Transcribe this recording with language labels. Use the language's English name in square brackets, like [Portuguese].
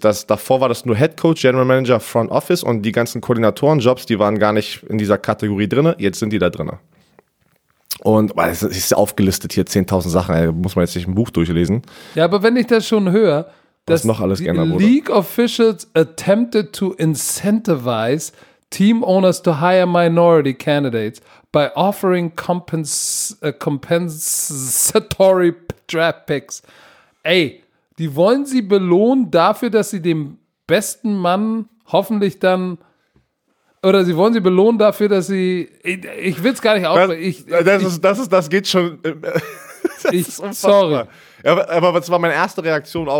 [German] Davor war das nur Head Coach, General Manager, Front Office und die ganzen Koordinatorenjobs, die waren gar nicht in dieser Kategorie drin, jetzt sind die da drin. Und es ist aufgelistet hier 10.000 Sachen, da muss man jetzt nicht ein Buch durchlesen. Ja, aber wenn ich das schon höre, dass noch alles [English] die League Officials attempted to incentivize team owners to hire minority candidates by offering compensatory draft picks. [German] Ey, die wollen sie belohnen dafür, dass sie dem besten Mann hoffentlich dann, oder sie wollen sie belohnen dafür, dass sie, ich will es gar nicht aufhören. Das geht schon. Sorry. Ja, aber das war meine erste Reaktion auch.